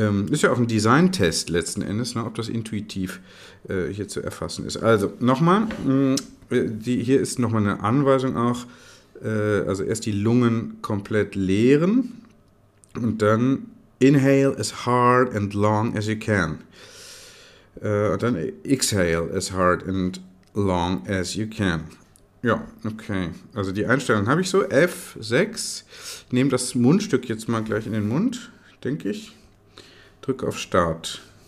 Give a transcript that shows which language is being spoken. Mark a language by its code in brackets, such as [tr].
[de] Ist ja auch ein Design-Test letzten Endes, ne, ob das intuitiv hier zu erfassen ist. Also nochmal, hier ist nochmal eine Anweisung auch, also erst die Lungen komplett leeren und dann [en] inhale as hard and long as you can. [de] Und dann [en] exhale as hard and long as you can. [de] Ja, okay. Also die Einstellung habe ich so, F6. Ich nehme das Mundstück jetzt mal gleich in den Mund, denke ich. Drück auf Start.